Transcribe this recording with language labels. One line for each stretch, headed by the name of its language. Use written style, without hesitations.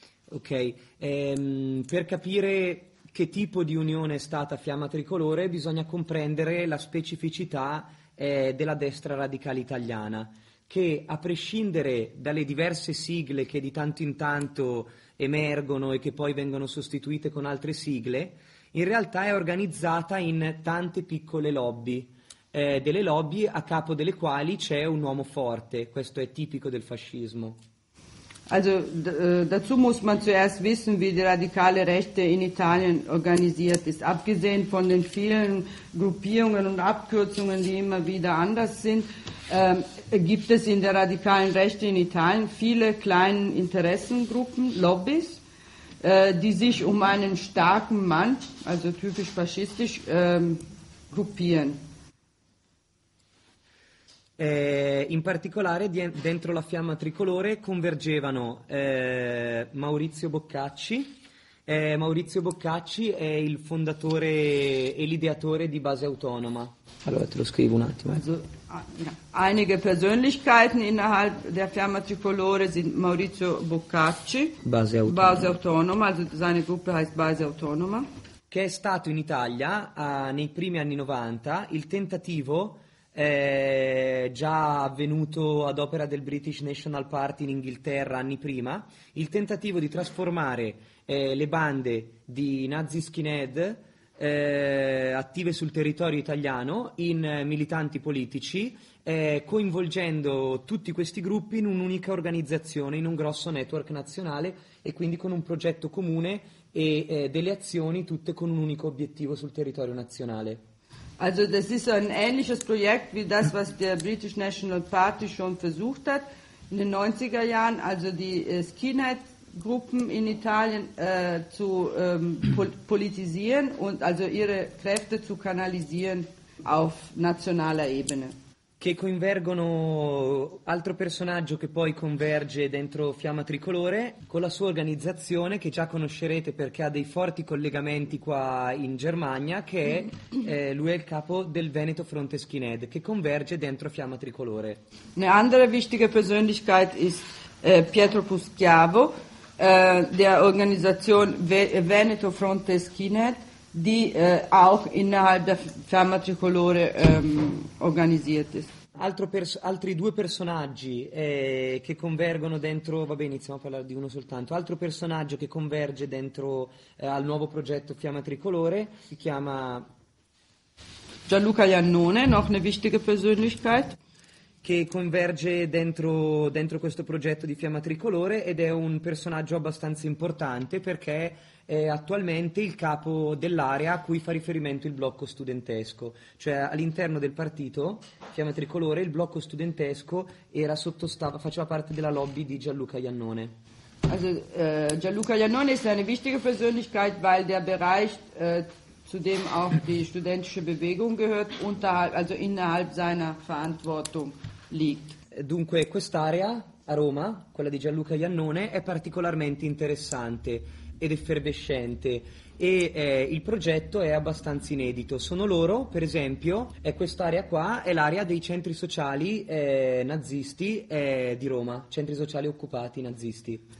Italian: Ok, per capire che tipo di unione è stata Fiamma Tricolore bisogna comprendere la specificità della destra radicale italiana, che a prescindere dalle diverse sigle che di tanto in tanto emergono e che poi vengono sostituite con altre sigle, in realtà è organizzata in tante piccole lobby. Delle lobby a capo delle quali c'è un uomo forte, questo è tipico del fascismo.
German: Also dazu muss man zuerst wissen, wie die radikale Rechte in Italien organisiert ist. Abgesehen von den vielen Gruppierungen und Abkürzungen, die immer wieder anders sind, gibt es in der radikalen Rechte in Italien viele kleine Interessengruppen, Lobbys, die sich um einen starken Mann, also typisch faschistisch, gruppieren.
Italian: In particolare dentro la Fiamma Tricolore convergevano Maurizio Boccacci. Maurizio Boccacci è il fondatore e l'ideatore di Base Autonoma. Allora te lo scrivo un attimo.
German: Also, einige Persönlichkeiten innerhalb der Fiamma Tricolore sind Maurizio Boccacci, Base Autonoma, also seine Gruppe heißt Base Autonoma,
Italian: che è stato in Italia nei primi anni 90 il tentativo già avvenuto ad opera del British National Party in Inghilterra anni prima, il tentativo di trasformare le bande di Nazi Skinhead attive sul territorio italiano in militanti politici, coinvolgendo tutti questi gruppi in un'unica organizzazione, in un grosso network nazionale e quindi con un progetto comune e delle azioni tutte con un unico obiettivo sul territorio nazionale.
German: Also das ist ein ähnliches Projekt wie das, was der British National Party schon versucht hat in den 90er Jahren, also die Skinhead-Gruppen in Italien zu politisieren und also ihre Kräfte zu kanalisieren auf nationaler Ebene.
Italian: Che coinvergono altro personaggio che poi converge dentro Fiamma Tricolore con la sua organizzazione che già conoscerete perché ha dei forti collegamenti qua in Germania, che è lui è il capo del Veneto Fronte Skinhead, che converge dentro Fiamma Tricolore.
German: Eine andere wichtige Persönlichkeit ist Pietro Puschiavo, der Organisation Veneto Fronte Skinhead, die auch innerhalb der Fiamma Tricolore organisiert ist.
Italian: Altri due personaggi che convergono dentro, vabbè, iniziamo a parlare di uno soltanto. Altro personaggio che converge dentro al nuovo progetto Fiamma Tricolore si chiama
German: Gianluca Iannone, noch eine wichtige Persönlichkeit.
Italian: Che converge dentro questo progetto di Fiamma Tricolore ed è un personaggio abbastanza importante perché è attualmente il capo dell'area a cui fa riferimento il blocco studentesco. Cioè all'interno del partito Fiamma Tricolore il blocco studentesco era faceva parte della lobby di Gianluca Iannone.
German: Also, Gianluca Iannone
Italian: è una
German: wichtige Persönlichkeit, weil der Bereich zu dem auch die studentische Bewegung gehört, also innerhalb seiner Verantwortung liegt.
Italian: Dunque, quest'area a Roma, quella di Gianluca Iannone, è particolarmente interessante ed effervescente e il progetto è abbastanza inedito. Sono loro, per esempio, è quest'area qua, è l'area dei centri sociali nazisti di Roma, centri sociali occupati nazisti.